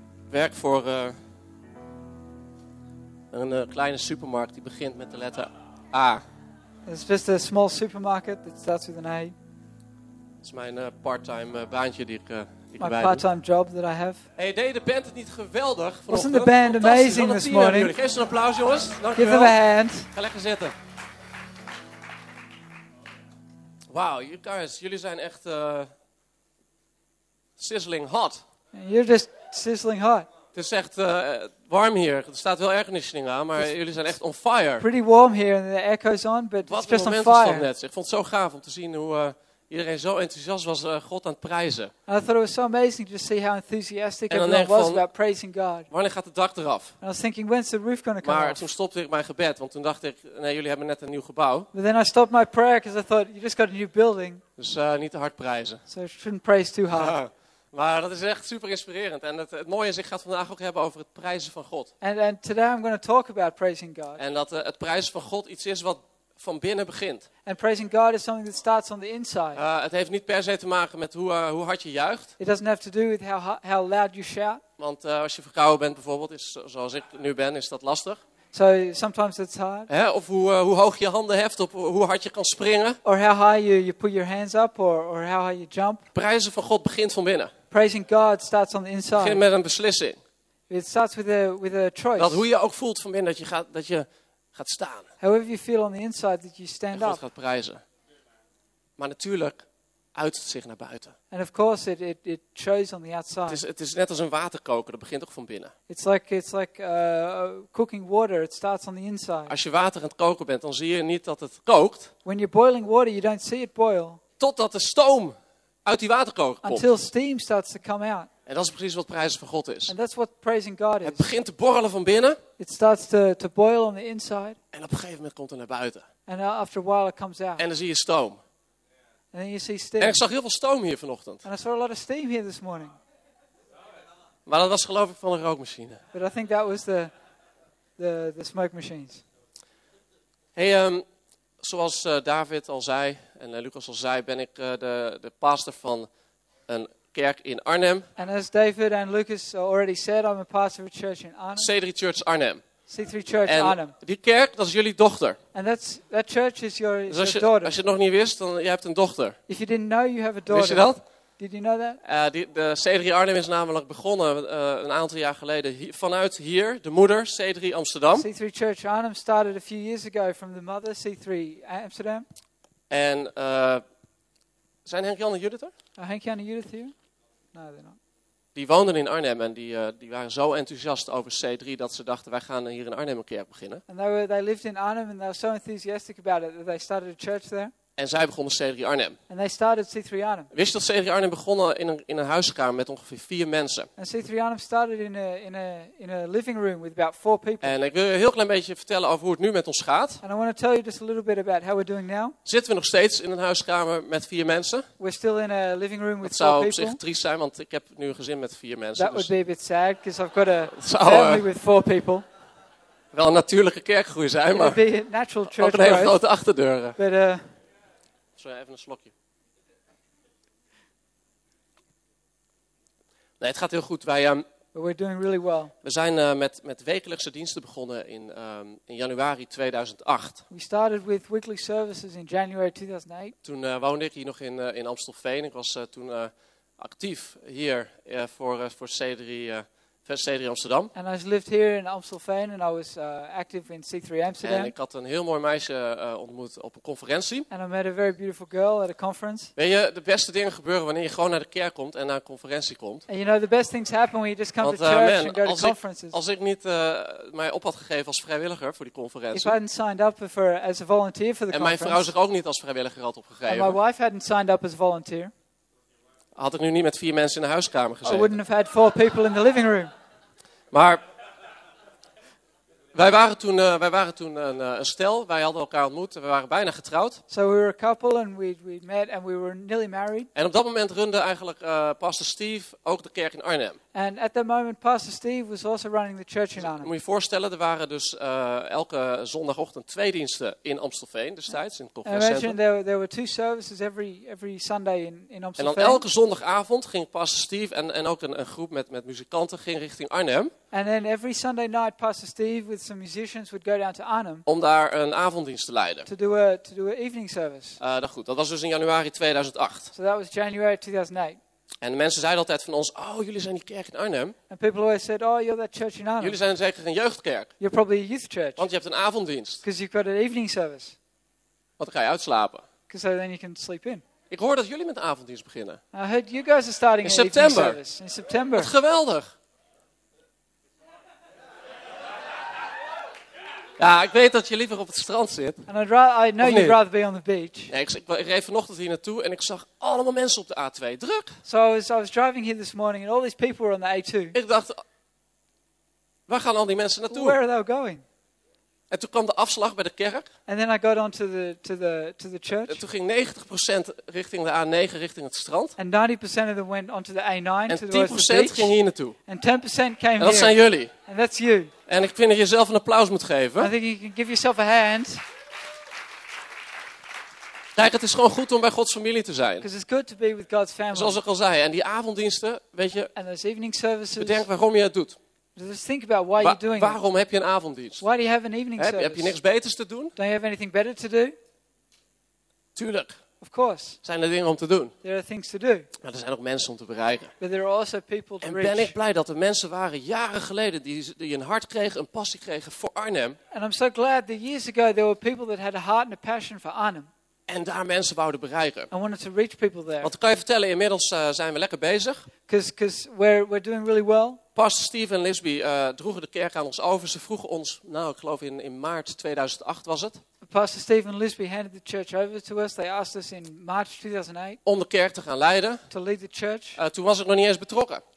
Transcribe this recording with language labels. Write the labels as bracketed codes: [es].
[nl] Werk voor een kleine supermarkt die begint met de letter A. [en] It's just a small supermarket that starts with an A. [nl] Het is mijn part-time baantje die ik [en] my part-time job that I have. [nl] Hey, deed de band het niet geweldig? [en] Wasn't the band amazing this morning? [nl] Geef ze een applaus, jongens. Dank [en] give them a hand. [nl] Ga lekker zitten. [en] Wow, you guys, [nl] jullie zijn echt [en] sizzling hot. You're just sizzling hot. [nl] Het is echt warm hier. Er staat wel airconditioning aan, maar jullie zijn echt [en] on fire. It's pretty warm here and the air goes on, but [nl] wat [en] it's just on fire. [nl] Wat een moment was dat net. Ik vond het zo gaaf om te zien hoe iedereen zo enthousiast was God aan het prijzen. [en] And I thought it was so amazing to see how enthusiastic everyone was about praising God. [nl] Wanneer gaat het dak eraf? [en] And I was thinking, when's the roof going to come [nl] maar [en] off? [nl] Toen stopte ik mijn gebed, want toen dacht ik, nee, jullie hebben net een nieuw gebouw. [en] But then I stopped my prayer because I thought, you just got a new building. [nl] Dus niet te hard prijzen. [en] So you shouldn't praise too hard. [nl] Ja. Maar dat is echt super inspirerend. En het mooie is, ik ga het vandaag ook hebben over het prijzen van God. [en] And today I'm going to talk about praising God. [nl] En dat het prijzen van God iets is wat van binnen begint. [en] And praising God is something that starts on the inside. [nl] Het heeft niet per se te maken met hoe hard je juicht. [en] It doesn't have to do with how loud you shout. [nl] Want als je verkouden bent bijvoorbeeld, is zoals ik nu ben, is dat lastig. [en] So sometimes it's hard. [nl] Hè? Of hoe hoog je handen heft, of hoe hard je kan springen. [en] Or how high you put your hands up, or how high you jump. [nl] Prijzen van God begint van binnen. [en] Praising God starts on the inside. [nl] Begint met een beslissing. [en] It starts with a choice. [nl] Dat hoe je ook voelt van binnen dat je gaat staan. [en] However you feel on the inside that you stand [nl] God [en] up. [nl] God gaat prijzen. Maar natuurlijk uit het zich naar buiten. [en] And of course it shows on the outside. [nl] Het is net als een waterkoker, dat begint ook van binnen. [en] It's like cooking water, it starts on the inside. [nl] Als je water aan het koken bent, dan zie je niet dat het kookt. [en] When you're boiling water, you don't see it boil. [nl] Totdat de stoom uit die waterkoker komt. [en] Until steam starts to come out. [nl] En dat is precies wat prijzen van God is. [en] And that's what praising God is. [nl] Het begint te borrelen van binnen. [en] It starts to boil on the inside. [nl] En op een gegeven moment komt het naar buiten. [en] And after a while it comes out. [nl] En dan zie je stoom. [en] And then you see steam. [nl] En ik zag heel veel stoom hier vanochtend. [en] And I saw a lot of steam here this morning. [nl] Maar dat was geloof ik van de rookmachine. [en] But I think that was the smoke machines. [nl] Hey, zoals David al zei en Lucas al zei, ben ik de pastor van een kerk in Arnhem. [en] And as David and Lucas already said, I'm a pastor of a church in Arnhem. C3 Church Arnhem. C3 Church [nl] en [en] Arnhem. [nl] Die kerk, dat is jullie dochter. [en] And that church is your [nl] dus als je, [en] daughter. [nl] Als je het nog niet wist, dan je hebt een dochter. [en] If you didn't know, you have a daughter. [nl] Wist je dat? [en] Did you know that? [nl] De C3 Arnhem is namelijk begonnen een aantal jaar geleden vanuit hier, de moeder C3 Amsterdam. [en] C3 Church Arnhem started a few years ago from the mother C3 Amsterdam. [nl] En zijn Henk-Jan en Judith er? [en] Are Henk-Jan en Judith hier? No, they're not. [nl] Die woonden in Arnhem en die waren zo enthousiast over C3 dat ze dachten, wij gaan hier in Arnhem een kerk beginnen. [en] And they lived in Arnhem and they were so enthusiastic about it that they started a church there. [nl] En zij begonnen C3 Arnhem. [en] And they started C3 Arnhem. [nl] Wist je dat C3 Arnhem begonnen in een huiskamer met ongeveer 4 mensen? [en] And C3 Arnhem started in a living room with about 4 people. [nl] En ik wil je een heel klein beetje vertellen over hoe het nu met ons gaat. [en] And I want to tell you just a little bit about how we're doing now. [nl] Zitten we nog steeds in een huiskamer met 4 mensen? [en] We're still in a living room with 4 people. [nl] Dat zou op zich triest zijn, want ik heb nu een gezin met 4 mensen. [en] That would be a bit sad, because I've got a family with 4 people. [nl] Wel een natuurlijke kerkgroei zijn, maar [en] it would be a natural church [nl] ook een hele grote achterdeuren. [en] But, [nl] even een slokje. Nee, het gaat heel goed. Wij, [en] we're doing really well. [nl] We zijn met wekelijkse diensten begonnen in januari 2008. [en] We started with weekly services in January 2008. [nl] Toen woonde ik hier nog in Amstelveen. Ik was toen actief hier voor C3 Vestzee Amsterdam. [en] And I lived here in Amstelveen and I was active in C3 Amsterdam. [nl] En ik had een heel mooi meisje ontmoet op een conferentie. [en] And I met a very beautiful girl at a conference. [nl] Weet je, de beste dingen gebeuren wanneer je gewoon naar de kerk komt en naar een conferentie komt. [en] And you know the best things happen when you just come to church and go to conferences. [nl] Als ik niet mij op had gegeven als vrijwilliger voor die conferentie. [en] If I hadn't signed up for as a volunteer for the conference. [nl] En mijn vrouw zich ook niet als vrijwilliger had opgegeven. [en] And my wife hadn't signed up as a volunteer. [nl] Had ik nu niet met vier mensen in de huiskamer gezeten. [en] I wouldn't have had four people in the living room. [nl] Maar wij waren toen een stel. Wij hadden elkaar ontmoet. We waren bijna getrouwd. [en] So we were a couple and we met and we were nearly married. [nl] En op dat moment runde eigenlijk Pastor Steve ook de kerk in Arnhem. [en] And at that moment Pastor Steve was also running the church in Arnhem. [nl] Dus, moet je voorstellen, er waren dus elke zondagochtend twee diensten in Amstelveen destijds in het congrescentrum. [en] And there were two services every Sunday in Amstelveen. [nl] En dan elke zondagavond ging Pastor Steve en ook een groep met muzikanten ging richting Arnhem. [en] And then every Sunday night Pastor Steve with some musicians would go down to Arnhem. [nl] Om daar een avonddienst te leiden. [en] To do an evening service. [nl] Dat was dus in januari 2008. [en] So that was January 2008. [nl] En de mensen zeiden altijd van ons: "Oh, jullie zijn die kerk in Arnhem." [en] And people always said, "Oh, you're that church in Arnhem." [nl] Jullie zijn zeker een jeugdkerk. [en] You're probably a youth church. [nl] Want je hebt een avonddienst. [en] Because you've got an evening service. [nl] Want dan ga je uitslapen. [en] Because then you can sleep in. [nl] Ik hoor dat jullie met de avonddienst beginnen. [en] I heard you guys are starting [nl] in september. [en] Evening service in September. [nl] Wat geweldig. Ja, ik weet dat je liever op het strand zit. [en] And I know you'd rather be on the beach. [nl] Nee, ik reed vanochtend hier naartoe en ik zag allemaal mensen op de A2. Druk. [en] So I was driving here this morning and all these people were on the A2. [nl] Ik dacht, waar gaan al die mensen naartoe? [en] Where are they going? [nl] En toen kwam de afslag bij de kerk. [en] And then I got on to the church. [nl] En toen ging 90% richting de A9, richting het strand. [en] And 90% of them went onto the A9. [nl] En 10% ging hier naartoe. [en] And 10% came [nl] en dat [en] here. [nl] Zijn jullie. [en] And that's you. [nl] En ik vind dat je jezelf een applaus moet geven. [en] I think you can give yourself a hand. [nl] Kijk, het is gewoon goed om bij Gods familie te zijn. [en] Because it's good to be with God's family. [nl] Zoals ik al zei. En die avonddiensten, weet je. [en] And those evening services. [nl] Bedenk waarom je het doet. [en] Just think about why you're doing it. [nl] Waarom heb je een avonddienst? [en] Why do you have an evening service? [nl] Heb je niks beters te doen? [en] Don't you have anything better to do? [nl] Tuurlijk. [en] Of course. [nl] Zijn er dingen om te doen? [en] There are things to do. [nl] Maar er zijn ook mensen om te bereiken. [en] But there are also people to [nl] en [en] reach. [nl] Ben ik blij dat er mensen waren jaren geleden die een hart kregen, een passie kregen voor Arnhem. [en] And I'm so glad that years ago there were people that had a heart and a passion for Arnhem. [nl] En daar mensen wouden bereiken. [en] I wanted to reach people there. [nl] Want kan je vertellen, inmiddels zijn we lekker bezig. [en] Because we're doing really well. [nl] Pastor Steve en Lisby droegen de kerk aan ons over. Ze vroegen ons, ik geloof in maart 2008 was het. [en] Pastor Steve and Lisby handed the church over to us. They asked us in March 2008. [nl] Om de kerk te gaan leiden. [en] To lead the church. [nl] Toen was ik nog niet eens betrokken.